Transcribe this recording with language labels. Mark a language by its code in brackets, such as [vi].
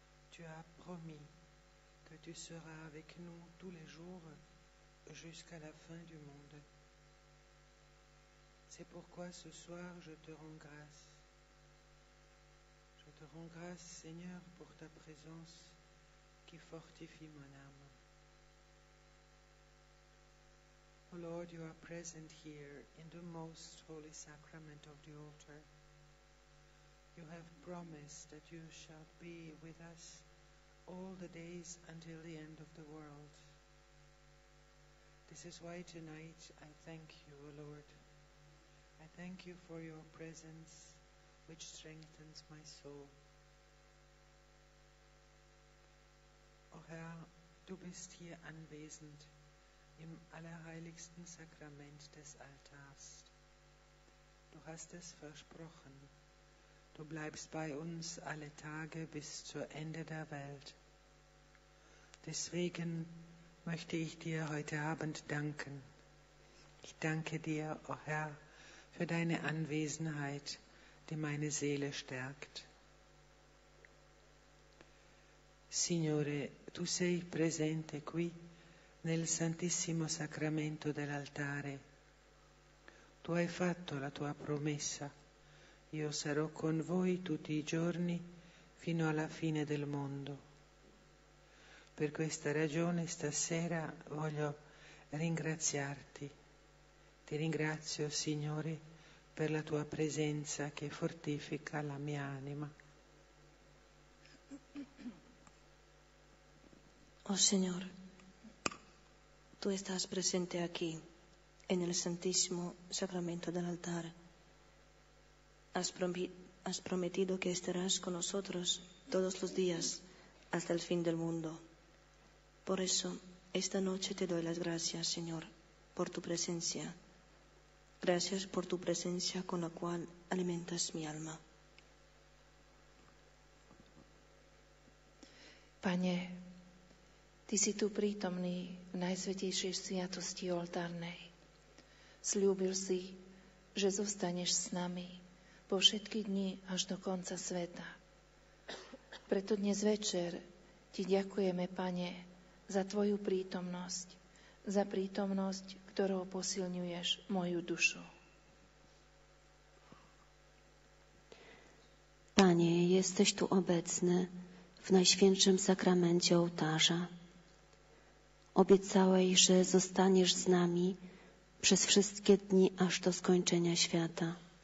[fr] Tu as promis que tu seras avec nous tous les jours jusqu'à la fin du monde. C'est pourquoi ce soir je te rends grâce. Je te rends grâce, Seigneur, pour ta présence qui fortifie mon âme. [en] Lord, you are present here in the most holy sacrament of the altar. You have promised that you shall be with us all the days until the end of the world. This is why tonight I thank you, O Lord. I thank you for your presence, which strengthens my soul. [de] O Herr, du bist hier anwesend im allerheiligsten Sakrament des Altars. Du hast es versprochen. Du bleibst bei uns alle Tage bis zum Ende der Welt. Deswegen möchte ich dir heute Abend danken. Ich danke dir, o Herr, für deine Anwesenheit, die meine Seele stärkt. [it] Signore, tu sei presente qui nel Santissimo Sacramento dell'altare. Tu hai fatto la tua promessa. Io sarò con voi tutti i giorni fino alla fine del mondo. Per questa ragione stasera voglio ringraziarti. Ti ringrazio, Signore, per la tua presenza che fortifica la mia anima. [es] Oh Signore, tu estás presente aquí, en el Santísimo Sacramento del altar. Has prometido que estarás con nosotros todos los días hasta el fin del mundo. Por eso, esta noche te doy las gracias, Señor, por tu presencia. Gracias por tu presencia con la cual alimentas mi alma. [sk] Pane, ty si tu prítomný v najsvetejšej sviatosti oltárnej. Sľúbil si, že zostaneš s nami po všetky dni až do konca sveta. Preto dnes večer ti ďakujeme, Pane, za tvoju prítomnosť, za prítomnosť, ktorou posilňuješ moju dušu. [pl] Pane, jesteš tu obecny v najświętszym sakramencie ołtarza. Obiecałeś, że zostaniesz z nami przez wszystkie dni aż do skończenia świata.